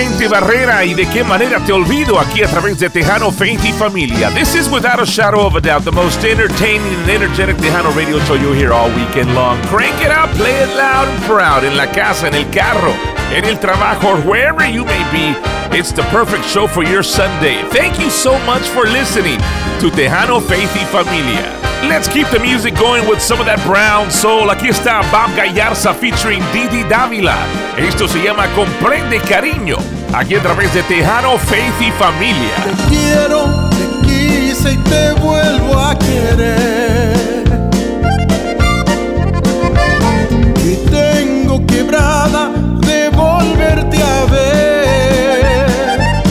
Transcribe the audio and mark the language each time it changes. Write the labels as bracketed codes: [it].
[es] Barrera y de qué manera te olvido aquí a través de Tejano, Faith y Familia. [en] This is without a shadow of a doubt the most entertaining and energetic Tejano radio show you hear all weekend long. Crank it up, play it loud and proud [es] en la casa, en el carro, en el trabajo, [en] or wherever you may be. It's the perfect show for your Sunday. Thank you so much for listening to Tejano, Faith y Familia. Let's keep the music going with some of that brown soul. [es] Aquí está Bob Gallarza featuring Didi Dávila. Esto se llama Comprende Cariño, aquí a través de Tejano, Faith y Familia. Te quiero, te quise y te vuelvo a querer. Y tengo quebrada de volverte a ver.